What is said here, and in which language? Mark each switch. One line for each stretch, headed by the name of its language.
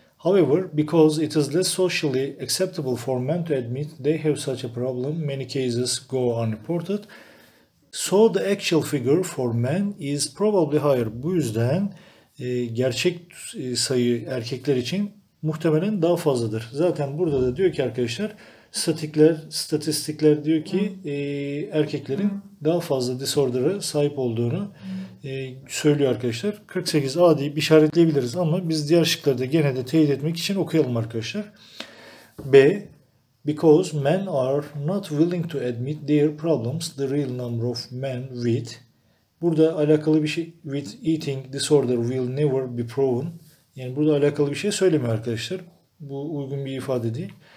English: However, because it is less socially acceptable for men to admit they have such a problem, many cases go unreported. So the actual figure for men is probably higher.
Turkish: Bu yüzden gerçek sayı erkekler için muhtemelen daha fazladır. Zaten burada da diyor ki arkadaşlar, statistikler diyor ki erkeklerin daha fazla disorder'a sahip olduğunu söylüyor arkadaşlar. 48 A deyip işaretleyebiliriz ama biz diğer şıkları da gene de teyit etmek için okuyalım arkadaşlar.
English: B, because men are not willing to admit their problems, the real number of men with,
Turkish: burada alakalı bir şey,
English: with eating disorder will never be proven.
Turkish: Yani burada alakalı bir şey söylemiyor arkadaşlar. Bu uygun bir ifade değil.